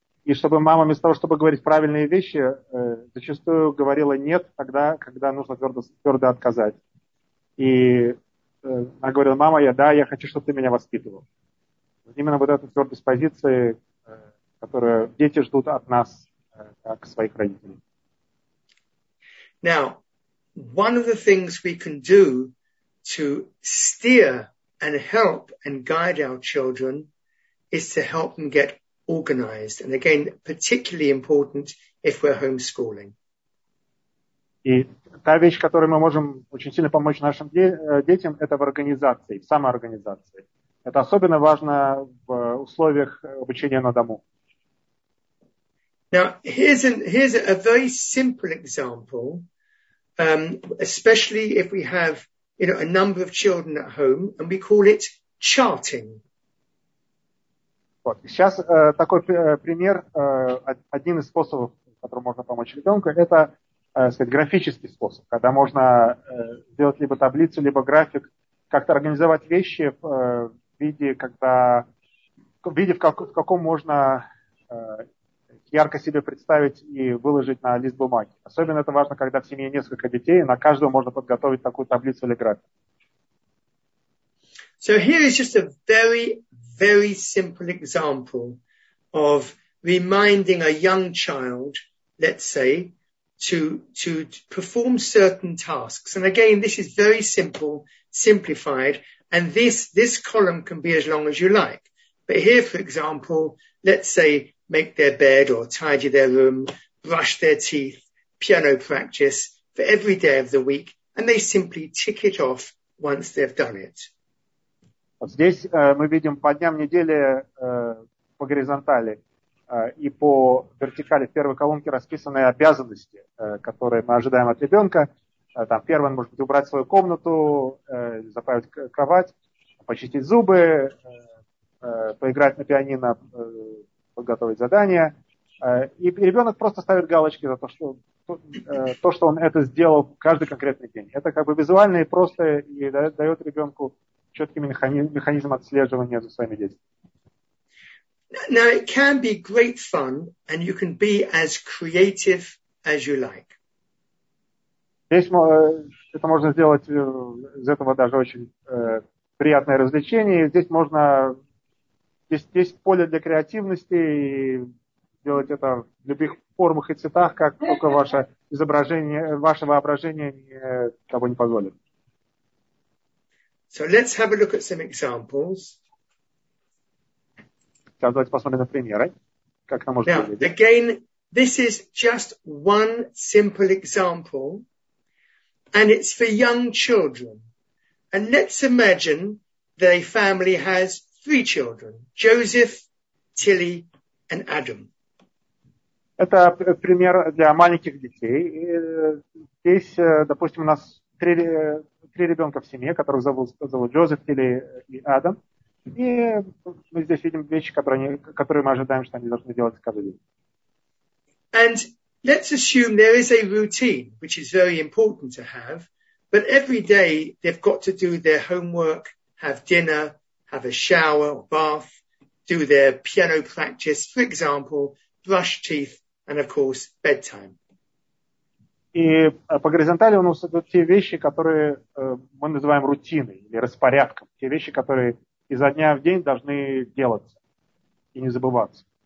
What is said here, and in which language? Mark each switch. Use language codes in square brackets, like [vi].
[ru] И чтобы мама, вместо того, чтобы говорить правильные вещи, зачастую говорила «нет», тогда, когда нужно твердо отказать. И она говорила: «Мама, я хочу, чтобы ты меня воспитывал». Именно вот эта твердость позиции, которую дети ждут от нас, как своих родителей. [en] Now, one of the things we can do to steer and help and guide our children is to help them get organized. And again, particularly important if we're homeschooling. [ru] И та вещь, которой мы можем очень сильно помочь нашим детям, это в организации, в самоорганизации. Это особенно важно в условиях обучения на дому. [en] Now, here's a very simple example, especially if we have, you know, a number of children at home, and we call it charting. [ru] Вот. Сейчас такой пример, один из способов, которым можно помочь ребенку, это сказать, графический способ, когда можно сделать либо таблицу, либо график, как-то организовать вещи в виде, в каком можно ярко себе представить и выложить на лист бумаги. Особенно это важно, когда в семье несколько детей, и на каждого можно подготовить такую таблицу или график. [en] So here is just a very, very simple example of reminding a young child, let's say, to perform certain tasks. And again, this is very simple, simplified, and this column can be as long as you like. But here, for example, let's say make their bed or tidy their room, brush their teeth, piano practice for every day of the week, and they simply tick it off once they've done it. [ru] Вот здесь мы видим по дням недели по горизонтали и по вертикали в первой колонке расписаны обязанности, которые мы ожидаем от ребенка. Там первое, он может быть, убрать свою комнату, заправить кровать, почистить зубы, поиграть на пианино, подготовить задания. И ребенок просто ставит галочки за то, что он это сделал каждый конкретный день. Это как бы визуально и просто, и дает ребенку четкий механизм отслеживания за своими действиями. [en] Now, it can be great fun, and you can be as creative as you like. [ru] Здесь это можно сделать из этого даже очень приятное развлечение. Здесь поле для креативности, и делать это в любых формах и цветах, как только ваше изображение, ваше воображение того не позволит. [en] So let's have a look at some examples. [ru] Сейчас давайте посмотрим на примеры, как нам можно увидеть. [en] Again, this is just one simple example, and it's for young children. And let's imagine that a family has three children: Joseph, Tilly, and Adam. [ru] Это пример для маленьких детей. И здесь, допустим, у нас три ребенка в семье, которых зовут Джозеф, Тилли и Адам. И мы здесь видим вещи, которые мы ожидаем, что они должны делать каждый день. [en] And let's assume there is a routine, which is very important to have, but every day they've got to do their homework, have dinner, have a shower, bath, do their piano practice, for example, brush teeth, and of course, bedtime. [ru] И по горизонтали у нас идут те вещи, которые мы называем рутиной или распорядком. Те вещи, которые изо дня в день должны делаться и не забываться.